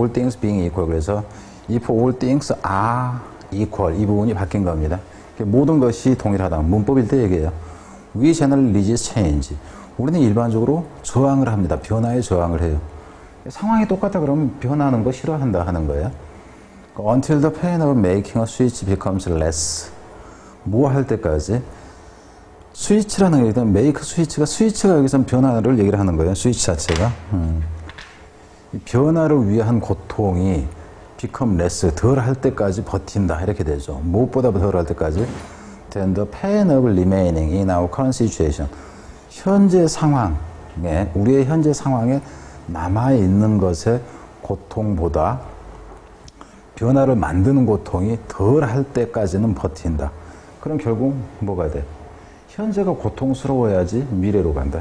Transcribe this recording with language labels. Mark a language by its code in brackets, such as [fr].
[en] all things being equal. [ko] 그래서 [en] if all things are equal [ko] 이 부분이 바뀐 겁니다. 모든 것이 동일하다. 문법일 때 얘기해요. [en] We generally resist change. [ko] 우리는 일반적으로 저항을 합니다. 변화에 저항을 해요. 상황이 똑같다 그러면 변하는 거 싫어한다 하는 거예요. [en] Until the pain of making a switch becomes less. [ko] 뭐 할 때까지? 스위치라는 게 일단 make 스위치가 여기서 변화를 얘기를 하는 거예요. 스위치 자체가. 변화를 위한 고통이 [en] become less, [ko] 덜 할 때까지 버틴다. 이렇게 되죠. 무엇보다 덜 할 때까지. [en] Then the pain of remaining in our current situation. [ko] 현재 상황에, 우리의 현재 상황에 남아있는 것의 고통보다 변화를 만드는 고통이 덜 할 때까지는 버틴다. 그럼 결국 뭐가 돼? 현재가 고통스러워야지 미래로 간다.